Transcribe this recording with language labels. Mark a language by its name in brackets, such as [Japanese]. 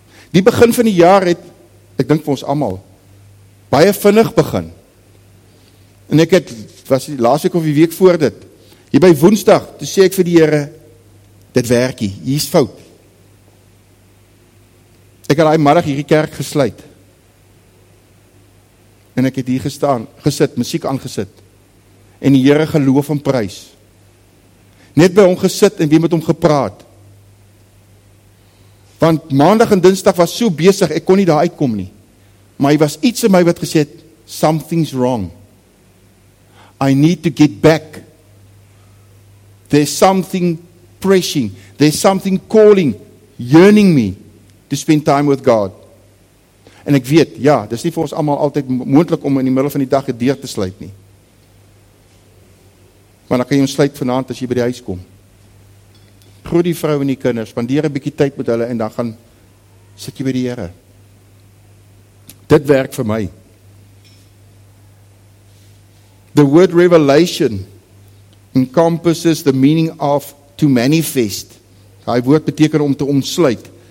[Afrikaans] Die begin van die jaar het, ek dink vir ons almal, baie vinnig begin. En ek het, was die laaste week of die week voor dit, hier by Woensdag, toe sê ek vir die Here, dit werk nie, hier is fout. Ek het die middag hierdie kerk gesluit. En ek het hier gesit, muziek aangesit, en die Here geloof en prys. Net by hom gesit en wie met hom gepraat. Want maandag en dinsdag was so besig, ek kon nie daar uitkom nie. Maar hy was iets in my wat gesê het, [English] something's wrong. I need to get back. There's something pressing. There's something calling, yearning me to spend time with God. [Afrikaans] En ek weet, ja, dit is nie vir ons allemaal altyd moontlik om in die middel van die dag die deur te sluit nie. Maar dan kan jy ontsluit vanavond as jy by die huis kom. Groet die vrou en die kinders, spandeer 'n bietjie tyd met hulle en dan gaan sit jy by die Here. Dit werk vir my. [English] The word revelation encompasses the meaning of to manifest. [Afrikaans] Daai woord beteken om te omsluit.